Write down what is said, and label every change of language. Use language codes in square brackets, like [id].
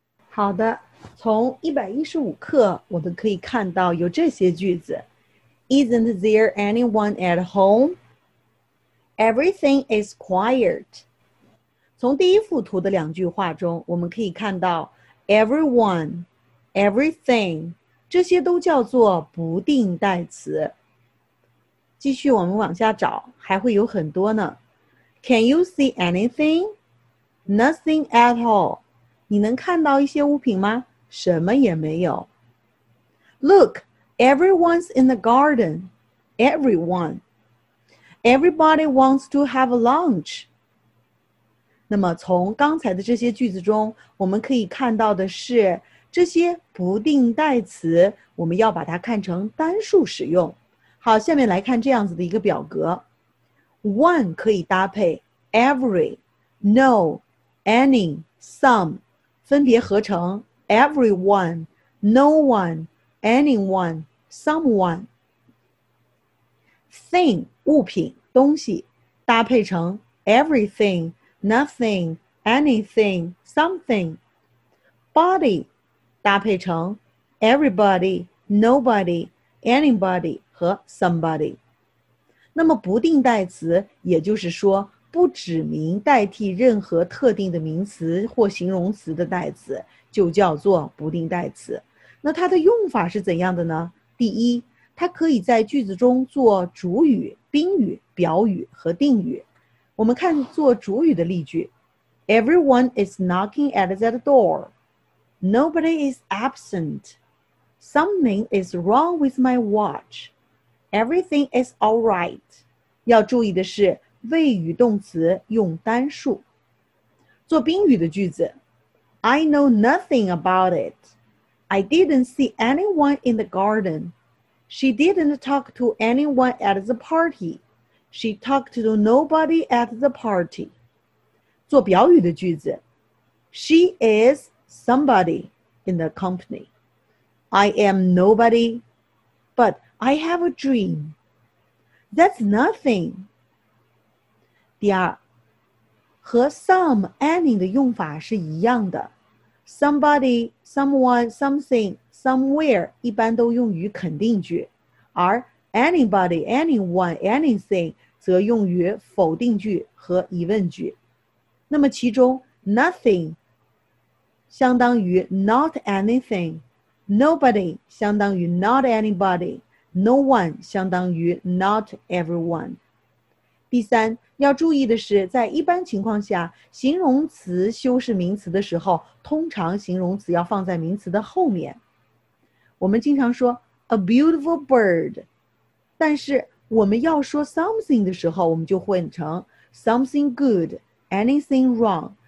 [zh] 好的，从115课我们可以看到有这些句子。 [en] Isn't there anyone at home? Everything is quiet. [zh] 从第一幅图的两句话中，我们可以看到 everyone, everything, 这些都叫做不定代词。继续我们往下找，还会有很多呢。 [en] Can you see anything? Nothing at all. [zh] 你能看到一些物品吗？什么也没有。 [en] Look. Everyone's in the garden. Everyone. Everybody wants to have a lunch. [zh] 那么从刚才的这些句子中，我们可以看到的是，这些不定代词，我们要把它看成单数使用。好，下面来看这样子的一个表格。 [en] One [zh] 可以搭配 [en] every, no, any, some, 分别合成 everyone, no one,Anyone, someone. Thing, 物品、东西，搭配成 everything, nothing, anything, something. Body, 搭配成 everybody, nobody, anybody 和 somebody. [zh] 那么不定代词，也就是说不指名代替任何特定的名词或形容词的代词，就叫做不定代词。那它的用法是怎样的呢？第一，它可以在句子中做主语、宾语、表语和定语。我们看做主语的例句 [en] ：Everyone is knocking at that door. Nobody is absent. Something is wrong with my watch. Everything is all right. [zh] 要注意的是，谓语动词用单数。做宾语的句子 [en] ：I know nothing about it. I didn't see anyone in the garden. She didn't talk to anyone at the party. She talked to nobody at the party. [zh] 做表语的句子 [en] She is somebody in the company. I am nobody. But I have a dream. That's nothing. [zh] 第二，和 some, any 的用法是一样的。 Somebody, someone, something, somewhere 一般都用于肯定句，而 anybody, anyone, anything 则用于否定句和疑问句。那么其中 nothing 相当于 not anything, nobody 相当于 not anybody, no one 相当于 not everyone。第三，要注意的是，在一般情况下，形容词修饰名词的时候，通常形容词要放在名词的后面。我们经常说 [en] a beautiful bird， [zh] 但是我们要说 something 的时候，我们就换成 something good， anything wrong。